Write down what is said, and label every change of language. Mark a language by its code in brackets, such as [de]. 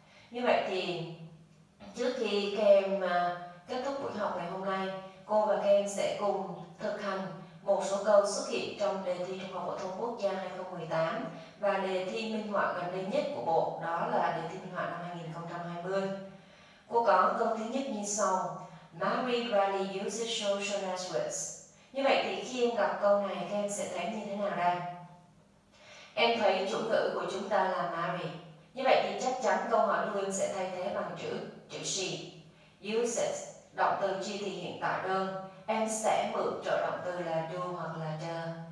[vi] Như vậy thì trước khi các em kết thúc buổi học ngày hôm nay, cô và các em sẽ cùng thực hành một số câu xuất hiện trong đề thi Trung học phổ thông quốc gia 2018 và đề thi minh họa gần đây nhất của bộ, đó là đề thi minh họa năm 2020. Cô có câu thứ nhất như sau. [en] Mary rarely uses social networks. [vi] Như vậy thì khi em gặp câu này, các em sẽ thấy như thế nào đây? Em thấy chủ ngữ của chúng ta là Mary. Như vậy thì chắc chắn câu hỏi đuôi sẽ thay thế bằng chữ she. Uses, động từ chi thì hiện tại đơn. Em sẽ mượn trợ động từ là do hoặc là the.